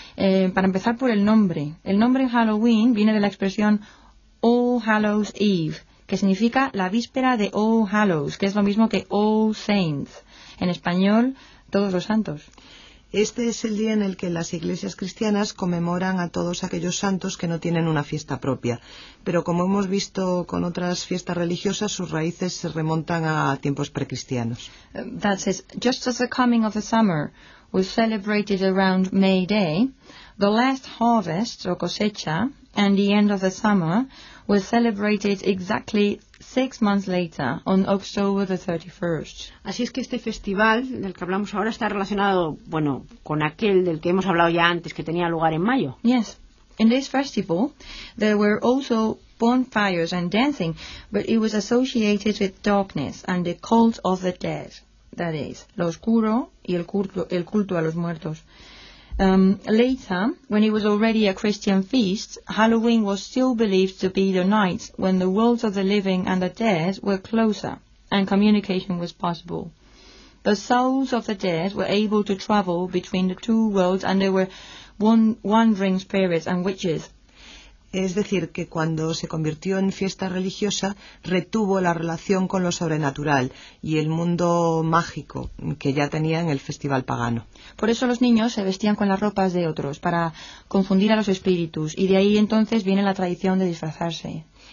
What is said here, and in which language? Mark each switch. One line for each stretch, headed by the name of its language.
Spanish: Para empezar por el nombre. El nombre Halloween viene de la expresión All Hallows Eve, que significa la víspera de All Hallows, que es lo mismo que All Saints, en español, todos los santos. Este es el día en el que las iglesias cristianas conmemoran a todos aquellos santos que no tienen una fiesta propia. Pero como hemos visto con otras fiestas religiosas, sus raíces se remontan a tiempos precristianos.
English: That says, just as the coming of the summer was celebrated around May Day, the last harvest, o cosecha, and the end of the summer was celebrated exactly 6 months later, on October the 31st.
Spanish: Así es que este festival del que hablamos ahora está relacionado, bueno, con aquel del que hemos hablado ya antes, que tenía lugar en mayo.
English: Yes. In this festival, there were also bonfires and dancing, but it was associated with darkness and the cult of the dead, that is,
Spanish: lo oscuro y el culto a los muertos.
English: Later, when it was already a Christian feast, Halloween was still believed to be the night when the worlds of the living and the dead were closer and communication was possible. The souls of the dead were able to travel between the two worlds and there were wandering spirits and witches.
Spanish: Es decir, que cuando se convirtió en fiesta religiosa, retuvo la relación con lo sobrenatural y el mundo mágico que ya tenía en el festival pagano. Por eso los niños se vestían con las ropas de otros, para confundir a los espíritus, y de ahí entonces viene la tradición de disfrazarse.